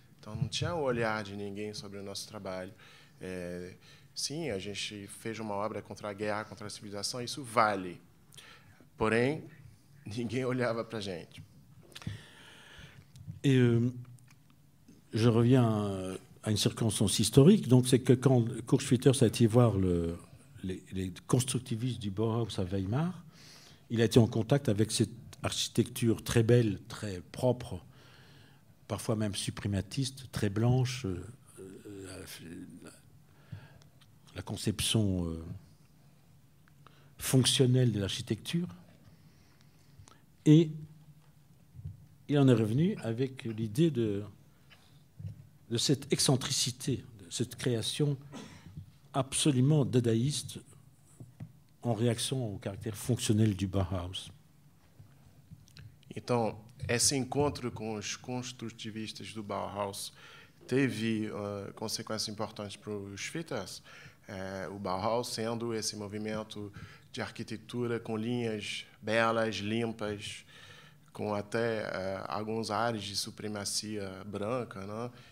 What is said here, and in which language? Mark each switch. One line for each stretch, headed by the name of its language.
Portuguese: Então, não tinha o olhar de ninguém sobre o nosso trabalho. Sim, a gente fez uma obra contra a guerra, contra a civilização, isso vale. Porém, ninguém olhava para a gente.
French: Et je reviens à une circonstance historique, donc c'est que quand Kurt Schwitters a été voir les constructivistes du Bauhaus à Weimar, il a été en contact avec cette architecture très belle, très propre, parfois même suprématiste, très blanche, la conception fonctionnelle de l'architecture. Et il en est revenu avec l'idée de cette excentricité, de cette création absolument dadaïste en réaction au caractère fonctionnel du Bauhaus.
Portuguese: Então, esse encontro com os construtivistas do Bauhaus teve consequências importantes para os Schwitters, o Bauhaus sendo esse movimento de arquitetura com linhas belas, limpas, com até alguns ares de supremacia branca, né?